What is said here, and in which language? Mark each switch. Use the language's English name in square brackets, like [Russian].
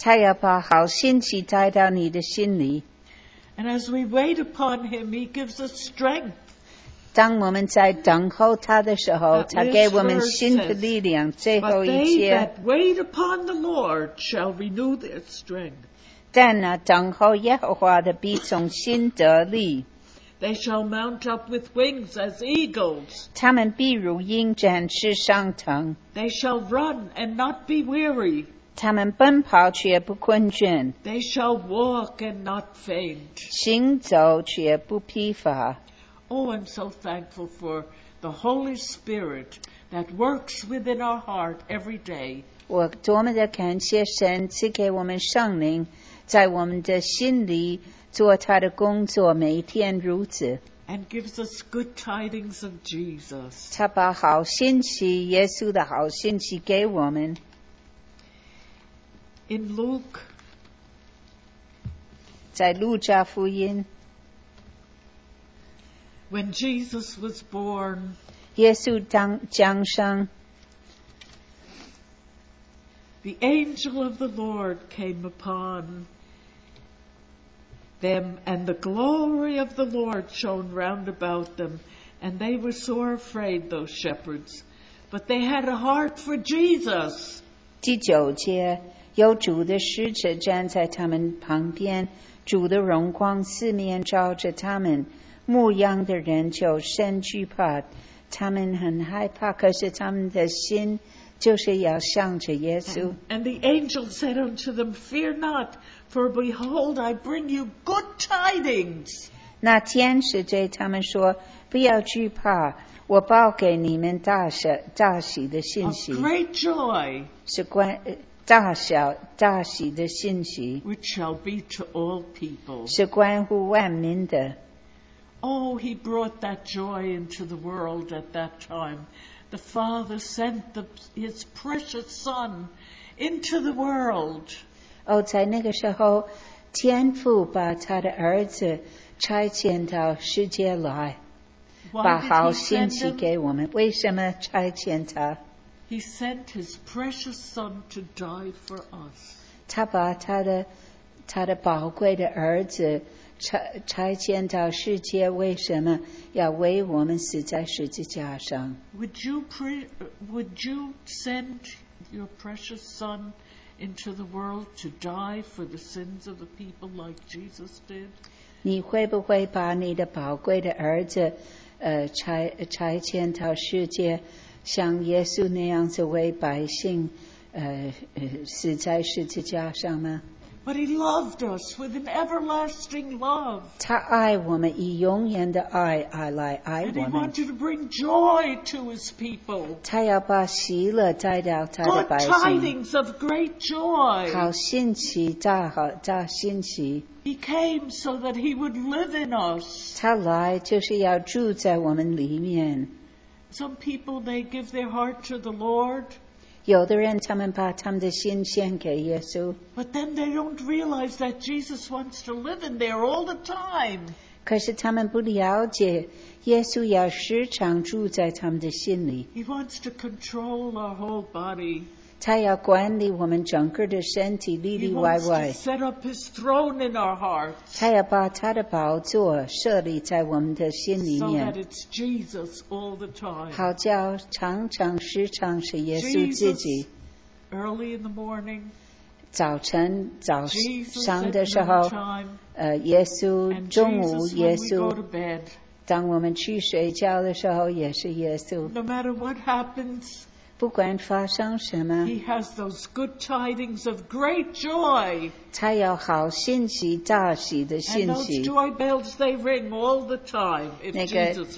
[Chinese] 他要把好信息带到你的心里 [English] And as we wait upon him he gives us strength [Chinese] 当我们在等候他的时候他给我们新的力量最后一节 [English] But they that wait upon the Lord shall renew their strength [Chinese] 但那等候耶和华的必从新得力 [English] They shall mount up with wings as eagles [Chinese] 他们必如鹰展翅上腾 [English] They shall run and not be weary [Chinese] 他们奔跑却不困倦 [English] They shall walk and not faint [Chinese] 行走却不疲乏 [English] Oh, I'm so thankful for the Holy Spirit that works within our heart every day. [Chinese] 我多么的感谢神赐给我们圣灵，在我们的心里做他的工作，每天如此。 [English] And gives us good tidings of Jesus. [Chinese] 他把好信息，耶稣的好信息给我们。 [English] In Luke, [Chinese] 在路加福音。 [English] When Jesus was born, [Chinese] 耶稣降生 [English] the angel of the Lord came upon them, and the glory of the Lord shone round about them, and they were sore afraid, those shepherds. But they had a heart for Jesus. [Chinese] 第九节，有主的使者站在他们旁边，主的荣光四面照着他们。牧羊的人就甚惧怕，他们很害怕，可是他们的心就是要向着耶稣。 [English] And the angel said unto them, Fear not, for behold, I bring you good tidings. [Chinese] 那天使对他们说，不要惧怕，我报给你们大喜的信息。 [English] A great joy. [Chinese] 是关大小大喜的信息。 [English] Which shall be to all people. [Chinese] 是关乎万民的。 [English] Oh, he brought that joy into the world at that time. The Father sent his precious Son into the world. [Chinese] Oh, 在那个时候，天父把他的儿子差遣到世界来，把好信息给我们。为什么差遣他？ [English] He sent his precious Son to die for us. [Chinese] 他把他的宝贵的儿子差遣到世界，为什么要为我们死在十字架上 [English] Would you send your precious son into the world to die for the sins of the people like Jesus did? [Chinese] 你会不会把你的宝贵的儿子差遣到世界，像耶稣那样子为百姓死在十字架上吗？ [English] But he loved us with an everlasting love. [Chinese] 他爱我们以永远的爱而来爱我们。 [English] And he wanted to bring joy to his people. [Chinese] 他要把喜乐带到他的百姓。 [English] Good tidings of great joy. [Chinese] 好信息，大好大信息。 [English] He came so that he would live in us. [Chinese] 他来就是要住在我们里面。 [English] Some people, they give their heart to the Lord. [Chinese] 有的人他们把他们的心献给耶稣。 [English] But then they don't realize that Jesus wants to live in there all the time. [Chinese] 可是他们不了解耶稣要时常住在他们的心里。 [English] He wants to control our whole body. [Chinese] 他要管理我们整个的身体里里外外。 [English] He wants to set up his throne in our hearts. [Chinese] 他要把他的宝座设立在我们的心里面。 [English] So that it's Jesus all the time. [Chinese] 好叫常常时常是耶稣自己。 [English] Jesus, early in the morning. [Chinese] 早晨早上的时候。耶稣中午耶稣。当我们去睡觉的时候也是耶稣。 [English] No matter what happens, [Chinese] 不管发生什么 [English] He has those good tidings of great joy. [Chinese] 他有好信息，大喜的信息。 [English] And those joy bells, they ring all the time if Jesus lives there.